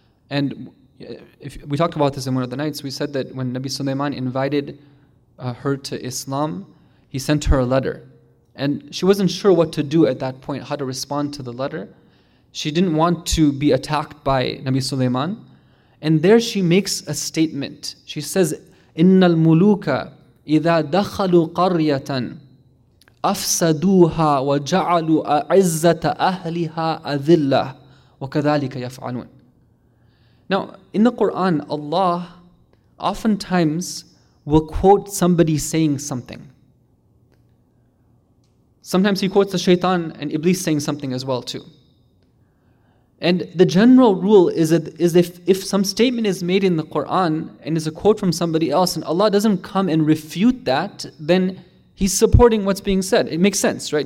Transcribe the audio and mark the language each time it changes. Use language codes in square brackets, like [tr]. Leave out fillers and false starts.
[en] And if we talked about this in one of the nights. We said that when Nabi Sulaiman invited her to Islam, he sent her a letter. And she wasn't sure what to do at that point, how to respond to the letter. She didn't want to be attacked by Nabi Sulaiman. And there she makes a statement. She says, [ar] إِنَّ الْمُلُوكَ إِذَا دَخَلُوا قَرْيَةً أَفْسَدُوهَا وَجَعَلُوا أَعِزَّةَ أَهْلِهَا أَذِلَّةً وَكَذَلِكَ يَفْعَلُونَ. [en] Now, in the Quran, Allah oftentimes will quote somebody saying something. Sometimes he quotes the shaitan and Iblis saying something as well too. And the general rule is that is if some statement is made in the Quran and is a quote from somebody else and Allah doesn't come and refute that, then he's supporting what's being said. It makes sense, right?